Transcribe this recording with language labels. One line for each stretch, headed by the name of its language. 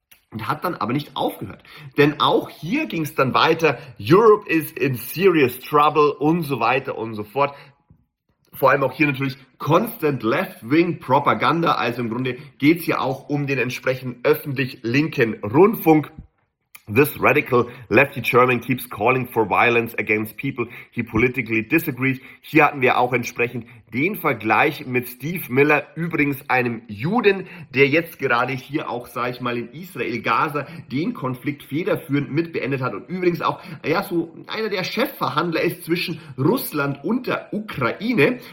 German: Und hat dann aber nicht aufgehört. Denn auch hier ging es dann weiter.
English: Europe is in serious trouble
German: und so weiter und so fort. Vor allem auch hier natürlich
English: constant left-wing
German: Propaganda. Also im Grunde geht es hier auch um den entsprechenden öffentlich-linken Rundfunk.
English: This radical lefty German keeps calling for violence against people he politically disagrees.
German: Hier hatten wir auch entsprechend den Vergleich mit Steve Miller, übrigens einem Juden, der jetzt gerade hier auch, sag ich mal, in Israel, Gaza, den Konflikt federführend mit beendet hat und übrigens auch, ja, so einer der Chefverhandler ist zwischen Russland und der Ukraine.